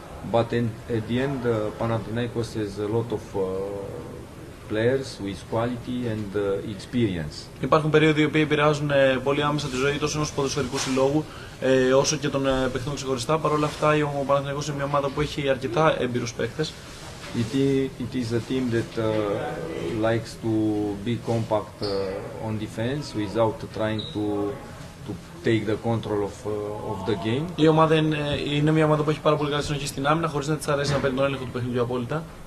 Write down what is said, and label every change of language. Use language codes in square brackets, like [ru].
[en] But at the end, Panathinaikos has a lot of players with quality and experience. [el] Υπάρχουν περίοδοι οι οποίοι επηρεάζουν πολύ άμεσα τη ζωή τόσο ενός ποδοσφαιρικού συλλόγου όσο και των παιχτών ξεχωριστά. Παρ' όλα αυτά, ο Παναθηναϊκός είναι μια ομάδα που έχει αρκετά έμπειρους παίκτες. [en] It is a team that likes to be compact on defense without trying to to take the control of of the game. [el] Η ομάδα είναι μια ομάδα που έχει πάρα πολύ καλή συνοχή στην άμυνα, χωρίς να της αρέσει να παίρνει τον έλεγχο του παιχνιδιού απόλυτα.